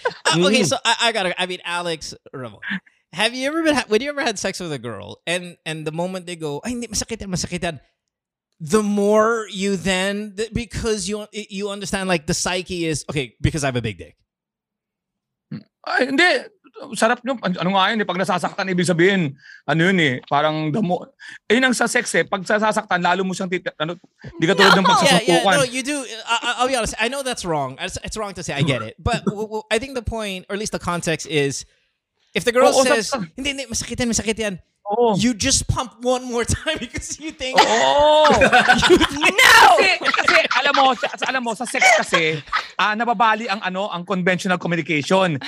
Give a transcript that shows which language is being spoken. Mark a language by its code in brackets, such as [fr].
[en] Okay, so I mean, Alex, Ramon, have you ever been, when you ever had sex with a girl, and the moment they go, [tl] ay, hindi, masakitan, masakitan, [en] the more you then, because you understand, like, the psyche is, okay, because I have a big dick. [tl] Ay, hindi. Sarap nyo, ano nga yun, eh, pag nasasaktan, ibig sabihin, ano yun eh, parang [en] the more, [tl] yun ang sa sex eh, pag sasaktan, lalo mo siyang, hindi ka tulad ng pagsasukukan. [en] Yeah, yeah, no, you do, I'll be honest, I know that's wrong, it's wrong to say, I get it, but I think the point, or at least the context is, if the girl says, [tl] hindi, hindi, masakit yan, masakit yan, [en] you just pump one more time because you think, No! [tl] Kasi alam mo, sa sex kasi, nababali ang ano ang conventional communication.